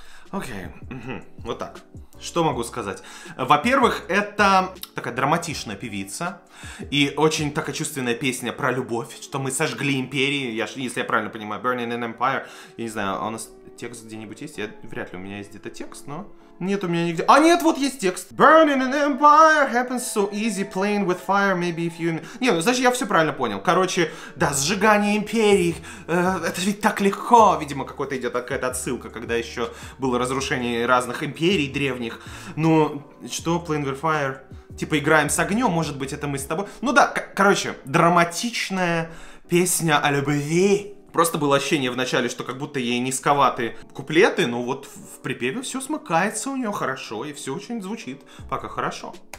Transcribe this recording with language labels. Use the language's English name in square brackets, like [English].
[Russian] Окей, вот так. Что могу сказать? Во-первых, это такая драматичная певица. И очень такая чувственная песня про любовь, что мы сожгли империи. Я, если я правильно понимаю, Burning an Empire. Я не знаю, у нас текст где-нибудь есть? Я, вряд ли у меня есть где-то текст, но... Нет у меня нигде... А нет, вот есть текст! [English] Burning an Empire happens so easy, playing with fire, maybe if you... [Russian] Не, ну, значит, я все правильно понял. Короче, да, сжигание империи, это ведь так легко! Видимо, какой-то идет какая-то отсылка, когда еще было разрушение разных империй древних. Ну, что, [English] playing with fire? [Russian] Типа, играем с огнем, может быть, это мы с тобой... Ну да, короче, драматичная песня о любви. Просто было ощущение в начале, что как будто ей низковаты куплеты, но вот в припеве все смыкается у нее хорошо, и все очень звучит пока хорошо.